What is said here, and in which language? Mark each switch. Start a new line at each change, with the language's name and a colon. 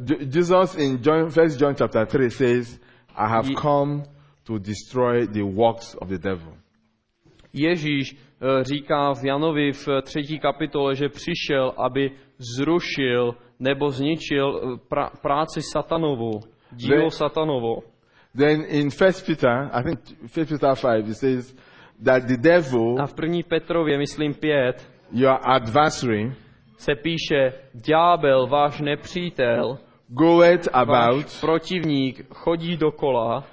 English: Jesus in John chapter 3 says, I have come to destroy the works of the devil.
Czech: Ježíš říká v Janovi v 3. kapitole, že přišel, aby zrušil nebo zničil práci satanovu, dílo then, satanovo.
English: Then in 1 Peter, I think 1 Peter 5, it says that the devil,
Czech: a v 1. Petrově, myslím 5,
English: your adversary,
Czech: se píše, ďábel, váš nepřítel,
English: goeth about,
Czech: váš protivník, chodí dokola,